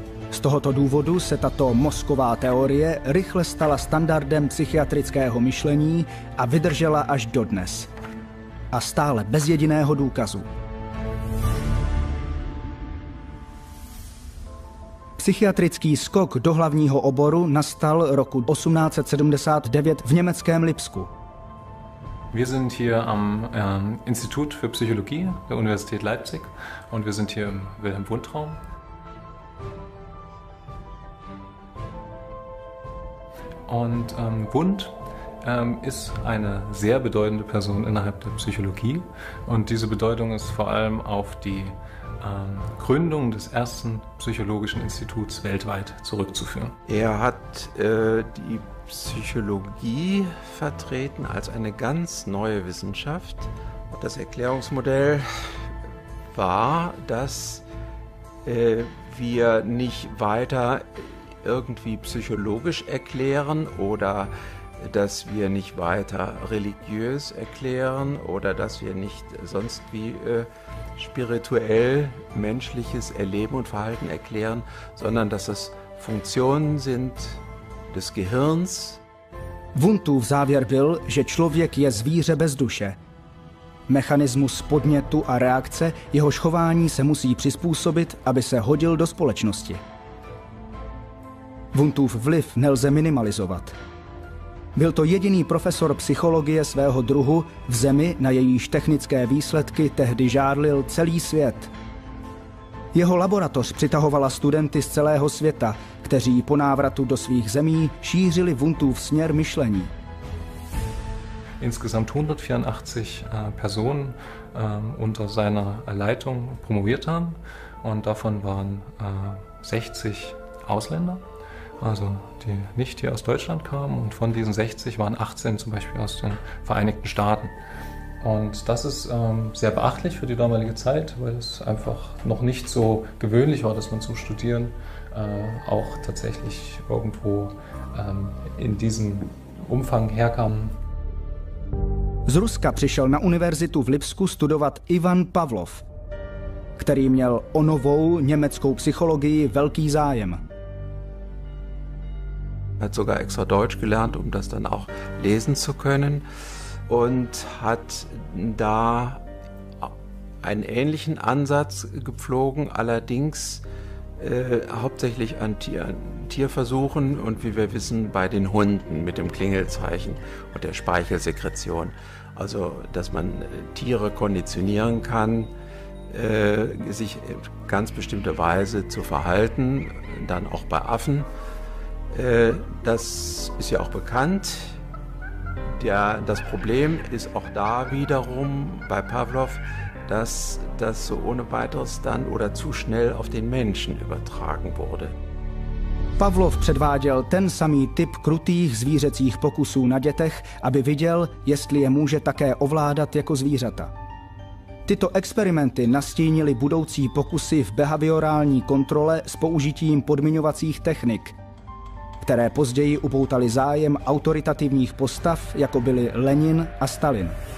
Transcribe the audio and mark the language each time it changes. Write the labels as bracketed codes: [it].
[cs] Z tohoto důvodu se tato mozková teorie rychle stala standardem psychiatrického myšlení a vydržela až dodnes. A stále bez jediného důkazu. Psychiatrický skok do hlavního oboru nastal roku 1879 v německém Lipsku. [de] Wir sind hier am Institut für Psychologie der Universität Leipzig und wir sind hier im Wilhelm Wundtraum. Und Wundt ist eine sehr bedeutende Person innerhalb der Psychologie und diese Bedeutung ist vor allem auf die Gründung des ersten psychologischen Instituts weltweit zurückzuführen. Er hat die Psychologie vertreten als eine ganz neue Wissenschaft. Und das Erklärungsmodell war, dass wir nicht weiter irgendwie psychologisch erklären oder dass wir nicht weiter religiös erklären oder dass wir nicht sonst wie spirituell menschliches Erleben und Verhalten erklären, sondern dass es Funktionen sind des Gehirns. [cs] Wundtův závěr byl, že člověk je zvíře bez duše. Mechanismus podnětu a reakce, jehož chování se musí přizpůsobit, aby se hodil do společnosti. Wundtův vliv nelze minimalizovat. Byl to jediný profesor psychologie svého druhu v zemi, na jejíž technické výsledky tehdy žárlil celý svět. Jeho laboratoř přitahovala studenty z celého světa, kteří po návratu do svých zemí šířili Wundtův směr myšlení. [de] Insgesamt 184 Personen unter seiner Leitung promoviert haben und davon waren 60 Ausländer. Also die nicht hier aus Deutschland kamen und von diesen 60 waren 18 zum Beispiel aus den Vereinigten Staaten. Und das ist sehr beachtlich für die damalige Zeit, weil es einfach noch nicht so gewöhnlich war, dass man zum Studieren auch tatsächlich irgendwo in diesem Umfang herkam. [cs] Z Ruska přišel na univerzitu v Lipsku studovat Ivan Pavlov, který měl o novou německou psychologii velký zájem. [de] Hat sogar extra Deutsch gelernt, um das dann auch lesen zu können und hat da einen ähnlichen Ansatz gepflogen, allerdings hauptsächlich an Tierversuchen und wie wir wissen bei den Hunden mit dem Klingelzeichen und der Speichelsekretion. Also, dass man Tiere konditionieren kann, sich in ganz bestimmte Weise zu verhalten, dann auch bei Affen. Das ist ja auch bekannt. Das Problem ist auch da wiederum bei Pavlov, dass das so ohne weiteres dann oder zu schnell auf den Menschen übertragen wurde. [cs] Pavlov předváděl ten samý typ krutých zvířecích pokusů na dětech, aby viděl, jestli je může také ovládat jako zvířata. Tyto experimenty nastínily budoucí pokusy v behaviorální kontrole s použitím podmiňovacích technik, které později upoutali zájem autoritativních postav, jako byli Lenin a Stalin.